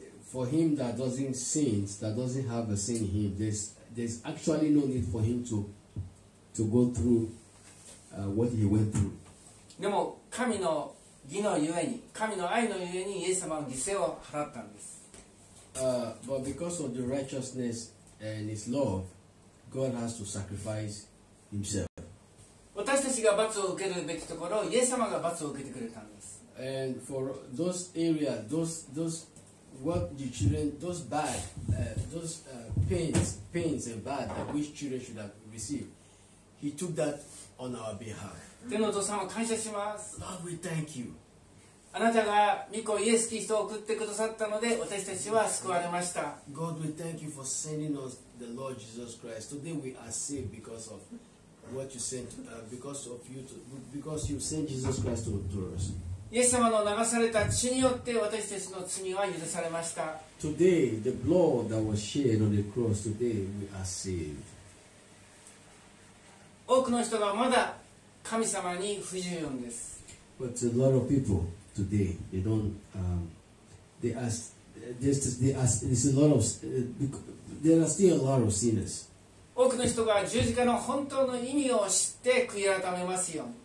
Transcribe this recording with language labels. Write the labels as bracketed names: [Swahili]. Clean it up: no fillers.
[English] For him that doesn't sin, that doesn't have a sin in him, there's actually no need for him to go through what he went through. [Japanese] でも神の義のゆえに、神の愛のゆえにイエス様の犠牲を払ったんです。 [English] But because of the righteousness and his love, God has to sacrifice himself. [Japanese] 私たちが罰を受けるべきところ、イエス様が罰を受けてくれたんです。 [English] And for those areas, those pains and bad that we children should have received, he took that on our behalf. [Japanese] 天のお父さんを感謝します。 [English] Lord, we thank you. [Japanese] あなたが御子イエス・キリストを送ってくださったので私たちは救われました。 [English] God, we thank you for sending us the Lord Jesus Christ. Today we are saved because of what you sent, because you sent Jesus Christ to us. [Japanese] イエス様の流された血によって私たちの罪は許されました。 [English] Today the blood that was shed on the cross, today we are saved. [Japanese] 多くの人がまだ神様に不従順です。 [English] But a lot of people. Today they don't. They ask. Just they ask. There's a lot of. There are still a lot of sinners. [Japanese] 多くの人が十字架の本当の意味を知って悔い改めますよ。